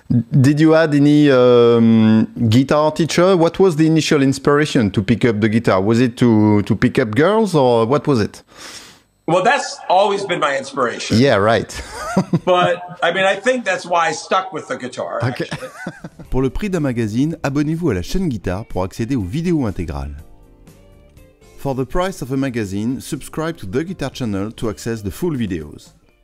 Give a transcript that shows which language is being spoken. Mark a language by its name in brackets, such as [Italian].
[English] Did you add any guitar teacher? What was the initial inspiration to pick up the guitar? Was it to pick up girls or what was it? Well, that's always been my inspiration. Yeah, right. But I mean, I think that's why I stuck with the guitar. Okay. [French] Pour le prix d'un magazine, abonnez-vous à la chaîne Guitare pour accéder aux vidéos intégrales. [English] For the price of a magazine, subscribe to The Guitar Channel to access the full videos.